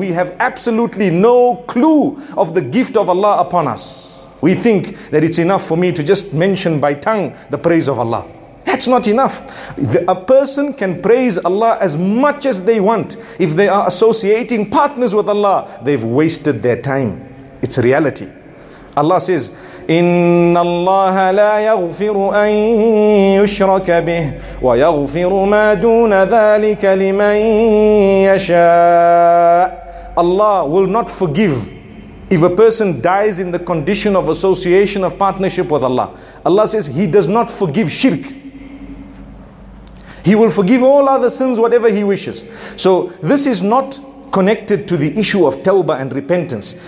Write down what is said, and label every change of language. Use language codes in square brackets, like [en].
[en] We have absolutely no clue of the gift of Allah upon us. We think that it's enough for me to just mention by tongue the praise of Allah. That's not enough. A person can praise Allah as much as they want. If they are associating partners with Allah, they've wasted their time. It's a reality. Allah says, [ar] إِنَّ اللَّهَ لَا يَغْفِرُ أَن يُشْرَكَ بِهِ وَيَغْفِرُ مَا دُونَ ذَلِكَ لِمَن يَشَاءُ. [en] Allah will not forgive if a person dies in the condition of association of partnership with Allah. Allah says He does not forgive shirk. He will forgive all other sins, whatever He wishes. So this is not connected to the issue of tawbah and repentance.